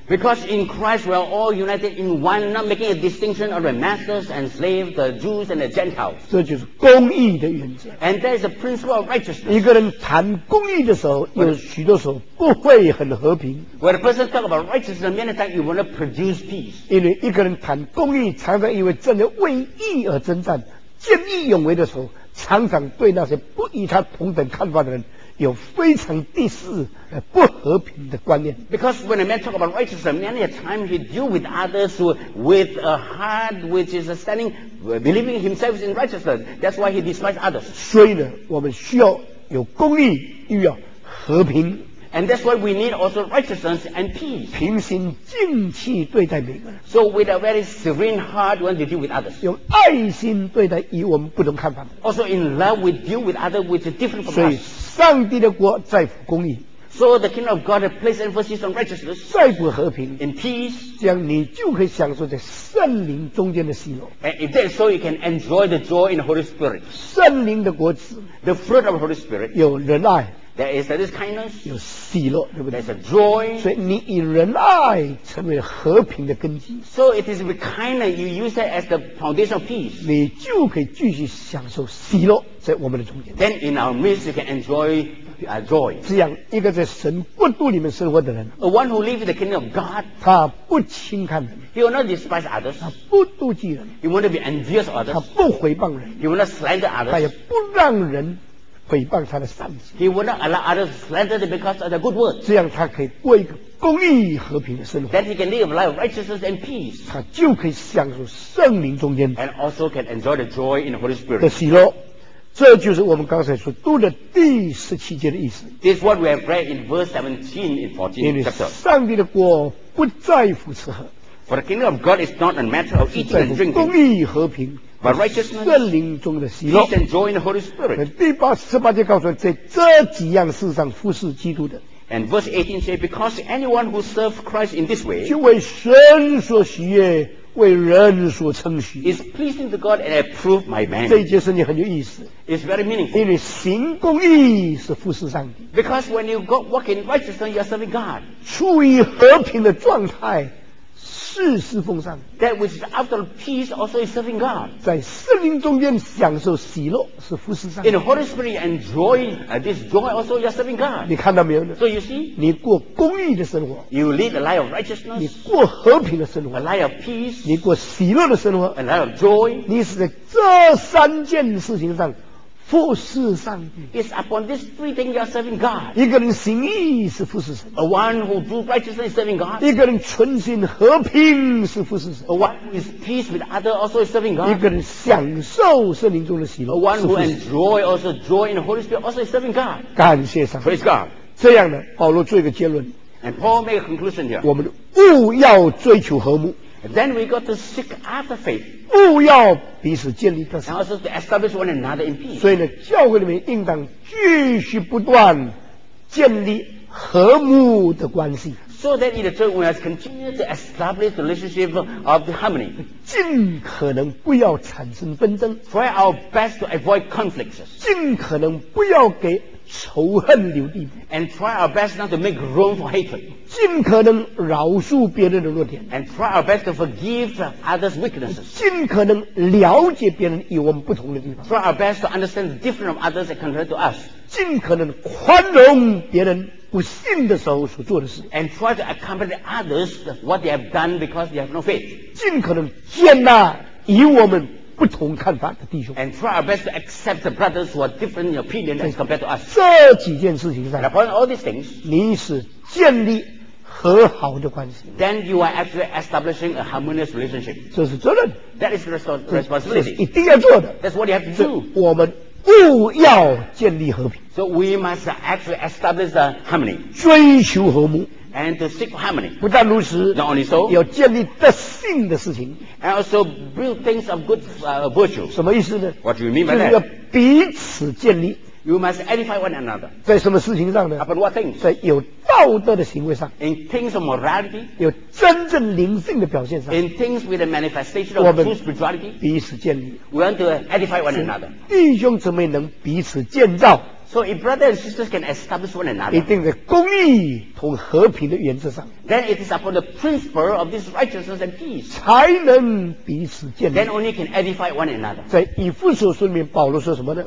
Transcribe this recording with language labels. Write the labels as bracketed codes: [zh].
[en] Because in Christ we are all united in one, not making a distinction of the masters and slaves, the Jews and the Gentiles. [zh] 这就是公义的原则。 [en] And that is the principle of righteousness. [zh] 一个人谈公义的时候，有许多时候不会很和平。 [en] When a person talks about righteousness, many times it will not produce peace. [zh] 因为一个人谈公义，常常因为正在为义而征战，见义勇为的时候，常常对那些不与他同等看法的人。有非常第四不和平的观念。 [en] Because when a man talk about righteousness, many a time he deal with others who, with a heart which is standing, believing himself in righteousness. That's why he despises others. [zh] 所以呢，我们需要有公义，又要和平。 [en] And that's why we need also righteousness and peace. [zh] 平心静气对待每个人。 [en] So with a very serene heart, when you deal with others. [zh] 用爱心对待与我们不同看法的。 [en] Also in love, we deal with others which is different from us. [zh] 上帝的国在乎公义 [en] ，so the kingdom of God places emphasis on righteousness， [zh] 在乎和平 [en] ，in peace， [zh] 这样你就可以享受在圣灵中间的喜乐 [en] ，and if that's so you can enjoy the joy in the Holy Spirit， [zh] 圣灵的果子 [en] ，the fruit of the Holy Spirit， [zh] 有仁爱 [en] ，there is that is kindness， [zh] 有喜乐，对不对 [en] ？there's a joy， [zh] 所以你以仁爱成为和平的根基 [en] ，so it is with kindness you use it as the foundation of peace， [zh] 你就可以继续享受喜乐。在我们的中间 [en] Then in our midst you can enjoy joy [zh] 这样一个在神国度里面生活的人 [en] A one who lives in the kingdom of God [zh] 他不轻看人 [en] He will not despise others [zh] 他不妒忌人 [en] He will not be envious of others [zh] 他不毁谤人 [en] He will not slander others [zh] 他也不让人毁谤他的善行 [en] He will not allow others to slander them because of their good works [zh] 这样他可以过一个公义和平的生活 [en] Then he can live a life of righteousness and peace [zh] 他就可以享受圣灵中间 [en] And also can enjoy the joy in the Holy Spirit [zh] 的喜乐这就是我们刚才所读的第十七节的意思。 [en] This is what we have read in verse 17 in 14 chapter. [zh] 因为上帝的国不在乎吃喝。 [en] For the kingdom of God is not a matter of eating and drinking. [zh] 公义和平。 [en] But righteousness. [zh] 圣灵中的喜乐。 [en] Peace and joy in the Holy Spirit. [zh] 第八十八节告诉我们，在这几样事上服侍基督的。 [en] And verse 18 says, because anyone who serves Christ in this way. [zh] 就为神所喜悦。为人所称许 [en] is pleasing to God and approve my man [zh] 这一节圣经很有意思 [en] is very meaningful [zh] 因为行公义是服侍上帝 [en] because when you go walk in righteousness you are serving God [zh] 处于和平的状态是侍奉上帝 [en] that which is after peace also is serving God [zh] 在圣灵中间享受喜乐是服侍上帝 [en] in the Holy Spirit enjoy this joy also you are serving God [zh] 你看到没有呢 [en] so you see [zh] 你过公义的生活 [en] you lead a life of righteousness [zh] 你过和平的生活 [en] a life of peace [zh] 你过喜乐的生活 [en] a life of joy [zh] 你是在这三件事情上服侍上帝 [en] It's upon these three things you are serving God [zh] 一个人行义是服侍神 [en] A one who do righteousness is serving God [zh] 一个人存心和平是服侍神 [en] A one who is peace with others also is serving God [zh] 一个人享受圣灵中的喜乐 [en] A one who enjoy also joy in the Holy Spirit also is serving God [zh] 感谢上帝 [en] Praise God [zh] 这样呢保罗做一个结论 [en] And Paul make a conclusion here [zh] 我们务要追求和睦 [en] And then we got to seek after faith [zh] 不要彼此建立但是 [en] to establish one another in peace [zh] 所以呢教会里面应当继续不断建立和睦的关系 [en] so that in the church we must continue to establish the relationship of the harmony [zh] 尽可能不要产生纷争 [en] try our best to avoid conflicts [zh] 尽可能不要给仇恨留地 [en] and try our best not to make room for hatred [zh] 尽可能饶恕别人的弱点 [en] and try our best to forgive others weaknesses [zh] 尽可能了解别人与我们不同的地方 [en] try our best to understand the difference of others that compared to us [zh] 尽可能宽容别人不信的时候所做的事 [en] and try to accompany others what they have done because they have no faith [zh] 尽可能接纳与我们不同看法的弟兄 [en] and try our best to accept the brothers who are different in opinion as compared to us [zh] 这几件事情上 [en] upon all these things [zh] 你是建立和好的关系 [en] then you are actually establishing a harmonious relationship [zh] 这是责任 [en] that is responsibility [zh] 这是一定要做的 [en] that's what you have to do [zh] 我们务要建立和平 [en] so we must actually establish the harmony [zh] 追求和睦 [en] And to seek harmony. [zh] 不但如此 [en] Not only so, [zh] 要建立德性的事情 [en] And also build things of good virtue. [zh] 什么意思呢 [en] What do you mean by that? [zh] 就是要彼此建立 [en] You must edify one another. [zh] 在什么事情上呢 [en] Upon what things? [zh] 在有道德的行为上 [en] In things of morality. [zh] 有真正灵性的表现上 [en] In things with a manifestation of true spirituality. [zh] 彼此建立 [en] We want to edify one another. [zh] 弟兄姊妹能彼此建造 [en] So if brothers and sisters can establish one another, [zh] 一定在公义同和平的原则上， [en] then it is upon the principle of this righteousness and peace, [zh] 才能彼此建立。 [en] Then only can edify one another. [zh] 在以弗所书里面，保罗说什么呢？